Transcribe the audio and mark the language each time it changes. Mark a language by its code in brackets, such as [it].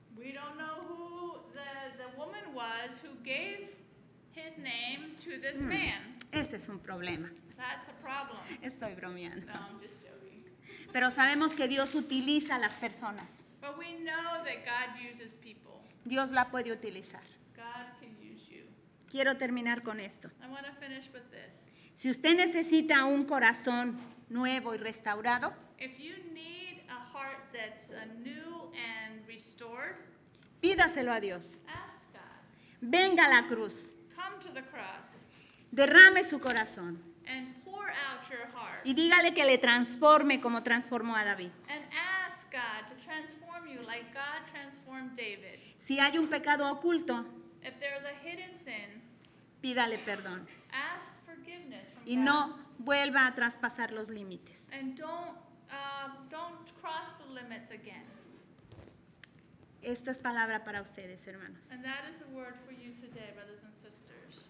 [en] We don't know who the woman was who gave his name to this man. [es] Ese es un problema. [en] That's a problem. [es] Estoy bromeando. [en] No, I'm just joking. [es] Pero sabemos que Dios utiliza a las personas. [en] But we know that God uses people. [es] Dios la puede utilizar. [en] God can use you. [es] Quiero terminar con esto. [en] I want to finish with this. [es] Si usted necesita un corazón nuevo y restaurado, [en] if you need a heart that's new and restored, [es] pídaselo a Dios. [en] Ask God. [es] Venga a la cruz. [en] Come to the cross. [es] Derrame su corazón. [en] And pour out your heart. [es] Y dígale que le transforme como transformó a David. [en] And ask God to transform you like God transformed David. [es] Si hay un pecado oculto, [en] if there's a hidden sin, [es] pídale perdón. [en] Ask forgiveness from [es] y [en] God. [es] No vuelva a traspasar los límites. [en] And don't cross the limits again. [es] Esta es palabra para ustedes, hermanos. [en] And that is the word for you today, brothers and sisters.